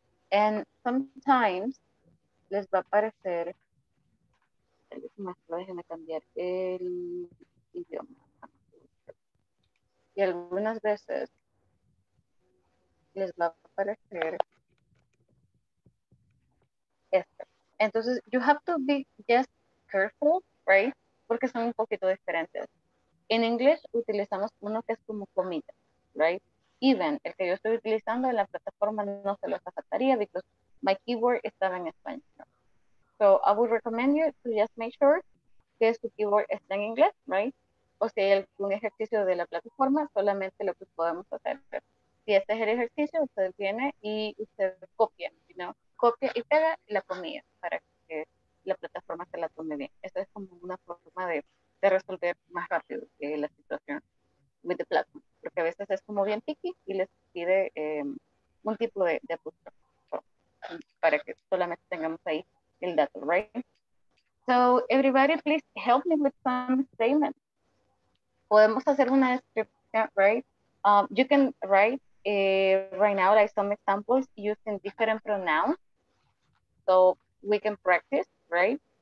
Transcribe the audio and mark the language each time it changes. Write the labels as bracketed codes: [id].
[en] And sometimes [es] les va a aparecer, déjenme cambiar el idioma. Y algunas veces les va a aparecer este. [en] Entonces, you have to be just careful, right? [es] Porque son un poquito diferentes. En inglés utilizamos uno que es como comita, right? Even, el que yo estoy utilizando en la plataforma no se los aceptaría [en] because my keyboard [es] estaba en español. [en] So, I would recommend you to just make sure [es] que su keyboard está en inglés, [en] right? [es] O si hay algún ejercicio de la plataforma, solamente lo que podemos hacer. Pero si este es el ejercicio, usted viene y usted copia, [en] you know? [es] Copia y pega la comida para que la plataforma se la tome bien. Esto es como una forma de resolver más rápido la situación [en] with the platform. [es] Porque a veces es como bien picky y les pide un tipo de apuesto para que solamente tengamos ahí el dato, right? [en] So, everybody, please help me with some statements. [es] Podemos hacer una descripción, [en] right? You can write right now like some examples using different pronouns. So we can practice, right?